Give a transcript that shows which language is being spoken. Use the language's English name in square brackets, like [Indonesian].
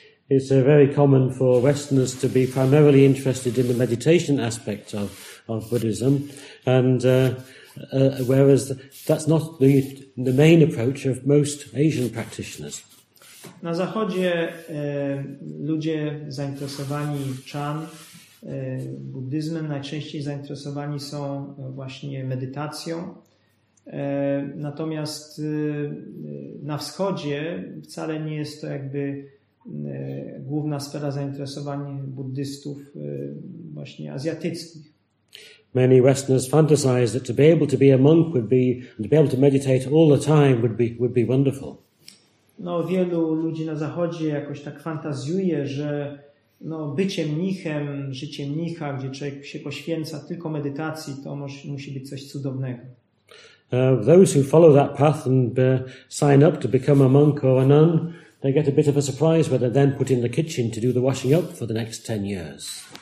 [English] It's very common for Westerners to be primarily interested in the meditation aspect of Buddhism, and whereas that's not the main approach of most Asian practitioners. [Polish] Na Zachodzie ludzie zainteresowani Chan, buddyzmem, najczęściej zainteresowani są właśnie medytacją. Natomiast na wschodzie wcale nie jest to jakby główna sfera zainteresowań buddystów właśnie azjatyckich. [English] Many Westerners fantasize that to be able to be a monk would be, and to be able to meditate all the time would be wonderful. [Polish] No, wielu ludzi na Zachodzie jakoś tak fantazjuje, że no, bycie mnichem, życie mnicha, gdzie człowiek się poświęca tylko medytacji, to musi być coś cudownego. [English] Those who follow that path and sign up to become a monk or a nun, they get a bit of a surprise when they're then put in the kitchen to do the washing up for the next 10 years.